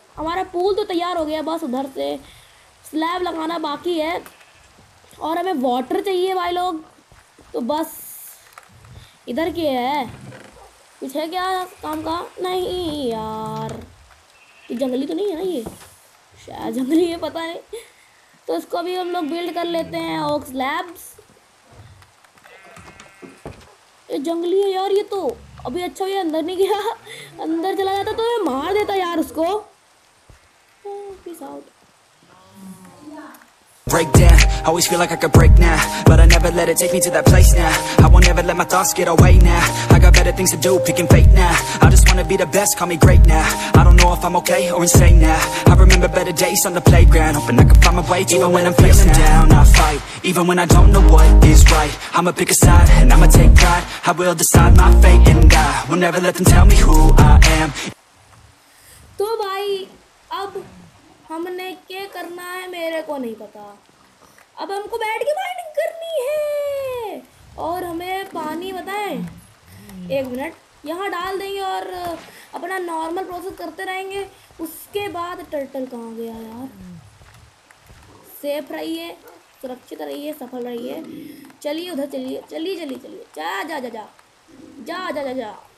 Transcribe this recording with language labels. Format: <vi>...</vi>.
<hi>हमारा पूल तो तैयार हो गया, बस उधर से स्लैब लगाना बाकी है और हमें वाटर चाहिए भाई लोग, तो बस इधर की है कुछ है क्या काम का, नहीं यार ये जंगली तो नहीं है ना, ये शायद जंगली है पता नहीं, तो इसको भी हम लोग बिल्ड कर लेते हैं ओक स्लैब्स। ये जंगली है यार ये तो, अभी अच्छा ये अंदर नहीं गया, अंदर चला जाता तो मैं मार देता यार उसको।</hi> <en>Peace out. Break down, always feel like I could break now, but I never let it take me to that place now, I won't ever let my thoughts get away now, I got better things to do, picking fate now, I just wanna be the best, call me great now, I don't know if I'm okay or insane now, I remember better days on the playground, hoping I can find my way to even when I'm facing down, I fight, even when I don't know what is right, I'ma pick a side, and I'ma take pride, I will decide my fate and I will never let them tell me who I am.</en> <hi>Toh bhai, ab... हमने क्या करना है मेरे को नहीं पता, अब हमको बैठ के माइनिंग करनी है और हमें पानी बताएं एक मिनट यहाँ डाल देंगे और अपना नॉर्मल प्रोसेस करते रहेंगे। उसके बाद टर्टल कहाँ गया यार, सेफ रहिए, सुरक्षित रहिए, सफल रहिए, चलिए उधर चलिए जा।</hi>